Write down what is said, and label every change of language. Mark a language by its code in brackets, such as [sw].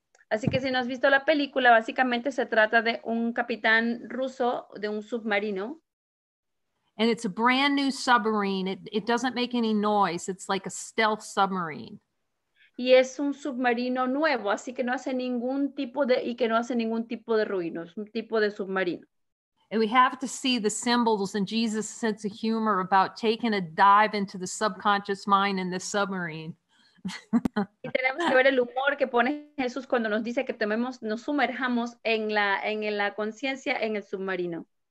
[es] Así que si no has visto la película, básicamente se trata de un capitán ruso de un submarino. [en] And it's a brand new submarine. It doesn't make any noise. It's like a stealth submarine. [es] Y es un submarino nuevo, así que no hace ningún tipo de, y que no hace ningún tipo de ruido, es un tipo de submarino. [en] And we have to see the symbols and Jesus' sense of humor about taking a dive into the subconscious mind in the submarine. [es] Y tenemos que ver el humor que pone Jesús cuando nos dice que nos sumerjamos en la conciencia en el submarino.